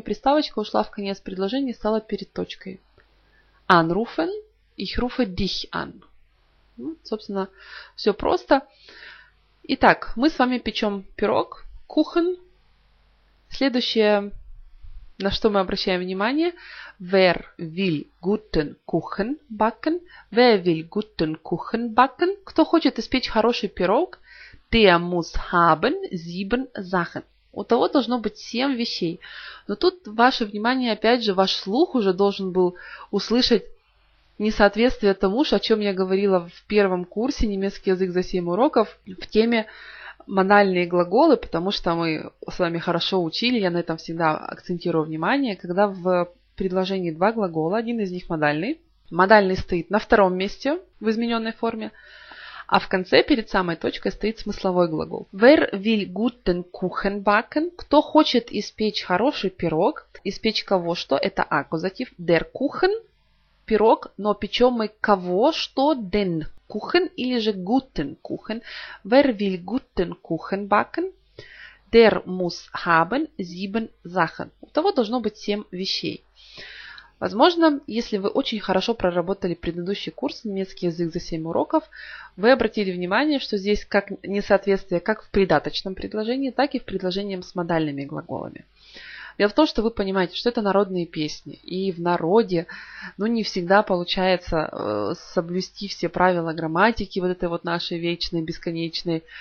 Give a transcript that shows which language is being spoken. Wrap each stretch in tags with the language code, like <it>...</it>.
<ru>Приставочка ушла в конец предложения и стала перед точкой.</ru> <de>Anrufen, ich rufe dich an.</de> <ru>Ну, собственно, все просто. Итак, мы с вами печем пирог, кухен. Следующее, на что мы обращаем внимание,</ru> <de>wer will guten Kuchen backen? Wer will guten Kuchen backen?</de> <ru>Кто хочет испечь хороший пирог?</ru> <de>Der muss haben sieben Sachen.</de> <ru>У того должно быть 7 вещей. Но тут ваше внимание, опять же, ваш слух уже должен был услышать несоответствие тому, о чем я говорила в первом курсе «Немецкий язык за 7 уроков» в теме «Мональные глаголы», потому что мы с вами хорошо учили, я на этом всегда акцентирую внимание, когда в предложении два глагола, один из них модальный. Модальный стоит на втором месте в измененной форме, а в конце, перед самой точкой, стоит смысловой глагол.</ru> <de>Wer will guten Kuchen backen?</de> <ru>Кто хочет испечь хороший пирог? Испечь кого что? Это акузатив. Der Kuchen – пирог, но печем мы кого что?</ru> <de>Den Kuchen</de> <ru>или же</ru> <de>guten Kuchen. Wer will guten Kuchen backen? Der muss haben sieben Sachen.</de> <ru>У того должно быть 7 вещей. Возможно, если вы очень хорошо проработали предыдущий курс «Немецкий язык за 7 уроков», вы обратили внимание, что здесь как несоответствие как в придаточном предложении, так и в предложении с модальными глаголами. Дело в том, что вы понимаете, что это народные песни, и в народе не всегда получается соблюсти все правила грамматики вот этой вот нашей вечной, бесконечной.</ru>